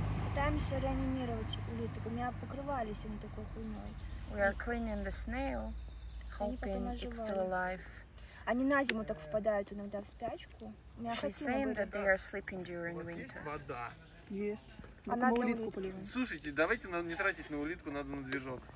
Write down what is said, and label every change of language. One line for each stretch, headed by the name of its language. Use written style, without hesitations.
Russian: Пытаемся реанимировать улиток. У меня покрывались они такой хуйной.
English: We are cleaning the snail, hoping it's still alive.
Russian: Они на зиму так впадают иногда в спячку.
English: She's saying that they are sleeping during winter.
Russian: Вода.
English: Yes.
Russian: Мы улитку поливаем. Слушайте, давайте нам не тратить на улитку, надо на движок.